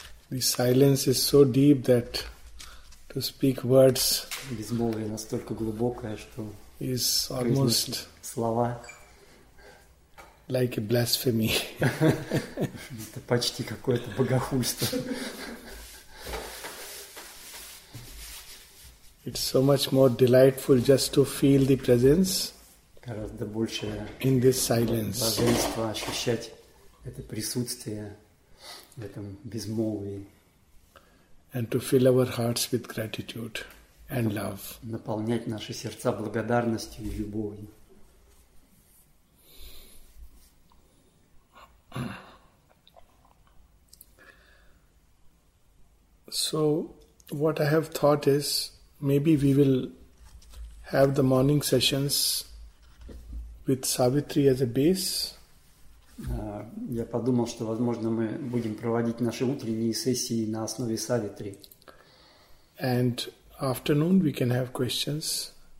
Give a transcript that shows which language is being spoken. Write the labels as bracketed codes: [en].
[en] The silence is so deep that to speak words [ru] безмолвие настолько глубокое, что [en] is almost [ru] слова [en] like a blasphemy. [ru] Это почти какое-то богохульство. [en] It's so much more delightful just to feel the presence. [ru] Гораздо больше [en] in this silence. [ru] Блаженство ощущать это присутствие в этом безмолвии. [en] And to fill our hearts with gratitude and love. [ru] Наполнять наши сердца благодарностью и любовью. [en] So, what I have thought is, maybe we will have the morning sessions with Savitri as a base. [ru] Я подумал, что возможно мы будем проводить наши утренние сессии на основе Савитри. [en] And afternoon we can have questions.